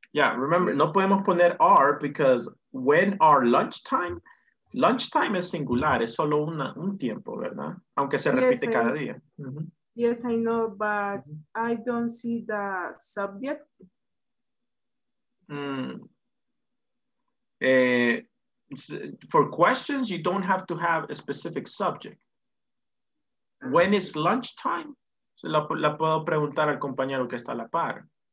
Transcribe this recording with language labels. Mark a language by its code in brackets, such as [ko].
[en] Yeah, remember, [es] no podemos poner [en] are because when are lunchtime? [es] Lunchtime es singular, es solo un tiempo, ¿verdad? Aunque se repite [en] yes, [es] cada día. Mm-hmm. [en] Yes, I know, but I don't see the subject. For questions, you don't have to have a specific subject. When is lunchtime? [es] So la puedo preguntar al compañero que está a la par.